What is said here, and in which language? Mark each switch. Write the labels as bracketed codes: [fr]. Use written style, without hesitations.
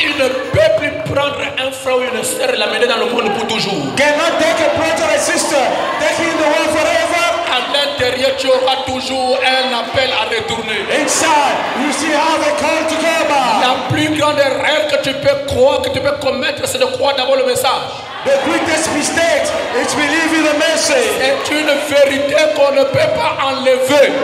[fr] Il ne peut plus prendre un frère ou une sœur et l'amener dans le monde pour toujours. [en] Cannot take a brother or sister, take him in the world forever. [fr] À l'intérieur, tu auras toujours un appel à retourner. [en] Inside, you still have a call to come back. [fr] La plus grande erreur que tu peux croire, que tu peux commettre, c'est de croire d'abord le message. [en] The greatest mistake is believing the message. [fr] C'est une vérité qu'on ne peut pas enlever.